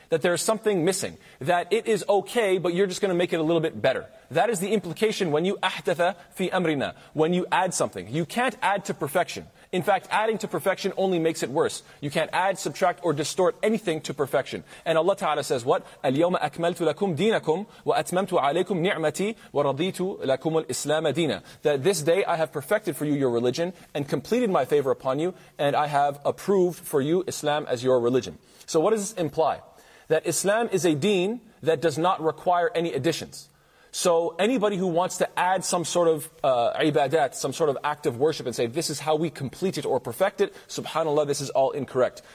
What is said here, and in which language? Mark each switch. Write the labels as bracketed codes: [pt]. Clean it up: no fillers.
[en] That there is something missing. That it is okay, but you're just going to make it a little bit better. That is the implication when you [ar] ahdatha fi amrina. [en] When you add something. You can't add to perfection. In fact, adding to perfection only makes it worse. You can't add, subtract, or distort anything to perfection. And Allah Ta'ala says what? [ar] اليوم أكملت لكم دينكم وأتممت عليكم نعمتي ورضيت لكم الإسلام دينا. [en] That this day I have perfected for you your religion and completed my favor upon you and I have approved for you Islam as your religion. So what does this imply? That Islam is a deen that does not require any additions. So anybody who wants to add some sort of ibadat, some sort of act of worship and say, this is how we complete it or perfect it, subhanAllah, this is all incorrect.